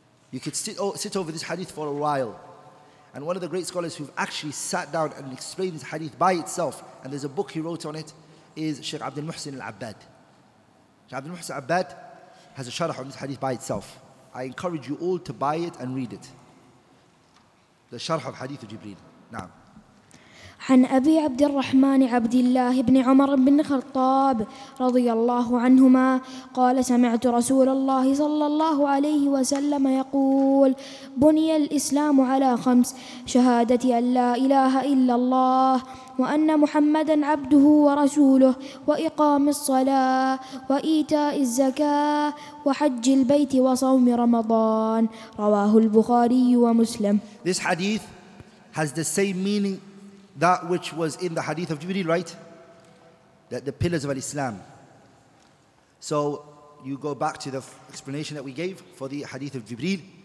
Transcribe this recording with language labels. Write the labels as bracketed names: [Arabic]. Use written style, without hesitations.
[English] You could sit over this hadith for a while. And one of the great scholars who've actually sat down and explained this hadith by itself, and there's a book he wrote on it, is Sheikh Abdul Muhsin Al-Abbad. Sheikh Abdul Muhsin Al-Abbad has a sharah on this hadith by itself. I encourage you all to buy it and read it. The sharah of hadith of Jibreel. Now. [Arabic] عن أبي عبد الرحمن عبد الله بن عمر بن خطاب رضي الله عنهما قال سمعت رسول الله صلى الله عليه وسلم يقول بني الإسلام على خمس: شهادة أن لا إله إلا الله وأن محمدا عبده ورسوله وإقام الصلاة وإيتاء الزكاة وحج البيت وصوم رمضان. رواه البخاري ومسلم. [English] This hadith has the same meaning that which was in the hadith of Jibreel, right? That the pillars of Al-Islam. So you go back to the explanation that we gave for the hadith of Jibreel.